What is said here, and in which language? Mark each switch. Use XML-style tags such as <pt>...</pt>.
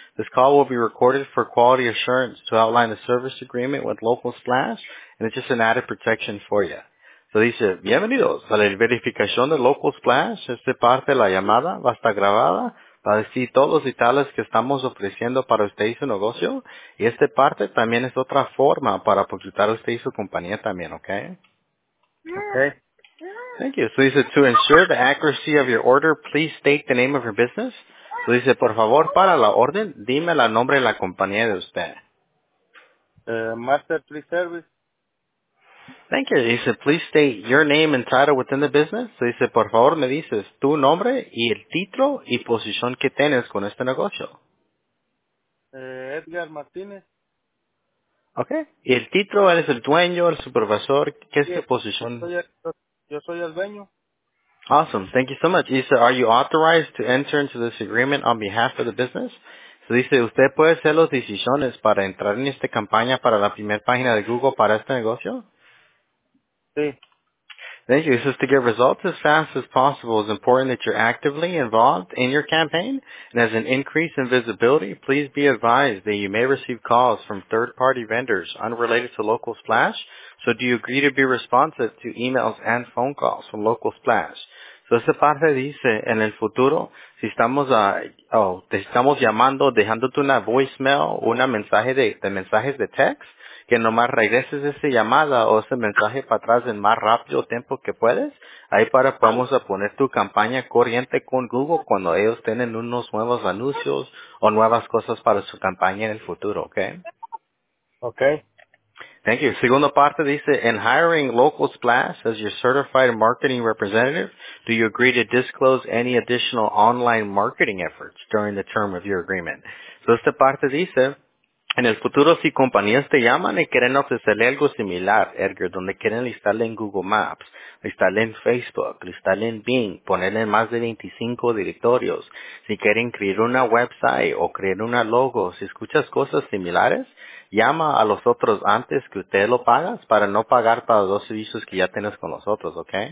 <en>This call will be recorded for quality assurance to outline the service agreement with Local Splash, and it's just an added protection for you.</en> <es>Se dice, bienvenidos a la verificación de Local Splash. Esta parte de la llamada va a estar grabada para decir todos los detalles que estamos ofreciendo para usted y su negocio. Y esta parte también es otra forma para publicitar usted y su compañía también, okay?</es> <en>Okay. Thank you. So he said, to ensure the accuracy of your order, please state the name of your business. So he said,</en> <es>por favor, para la orden, dime el nombre de la compañía de usted.</es> <en>Master Please Service. Thank you. He said, please state your name and title within the business. So he said,</en> <es>por favor, me dices tu nombre y el título y posición que tienes con este negocio. Edgar Martínez.</es> <en>Okay.</en> <es>Y el título, eres el dueño, el supervisor, ¿qué es tu posición? Yo soy el dueño.</es> <en>Awesome. Thank you so much.</en> <es>Dice,</es> <en>are you authorized to enter into this agreement on behalf of the business?</en> <es>So dice, ¿usted puede hacer las decisiones para entrar en esta campaña para la primera página de Google para este negocio? Sí.</es> <en>Thank you. It says, to get results as fast as possible, it's important that you're actively involved in your campaign. And as an increase in visibility, please be advised that you may receive calls from third-party vendors unrelated to Local Splash. So do you agree to be responsive to emails and phone calls from Local Splash?</en> <es>So esta parte dice, en el futuro, si estamos te estamos llamando, dejándote una voicemail, una mensaje de mensajes de text, que nomás regreses esa llamada o ese mensaje para atrás en más rápido tiempo que puedes, ahí para podemos a poner tu campaña corriente con Google cuando ellos tienen unos nuevos anuncios o nuevas cosas para su campaña en el futuro, okay?</es> <en>Okay. Thank you.</en> <es>Segunda parte dice,</es> <en>in hiring Local Splash as your certified marketing representative, do you agree to disclose any additional online marketing efforts during the term of your agreement?</en> <es>So esta parte dice, En el futuro, si compañías te llaman y quieren ofrecerle algo similar, Edgar, donde quieren listarle en Google Maps, listarle en Facebook, listarle en Bing, ponerle en más de 25 directorios, si quieren crear una website o crear una logo, si escuchas cosas similares, llama a los otros antes que usted lo pagas para no pagar para los dos servicios que ya tienes con nosotros, ¿ok?</es>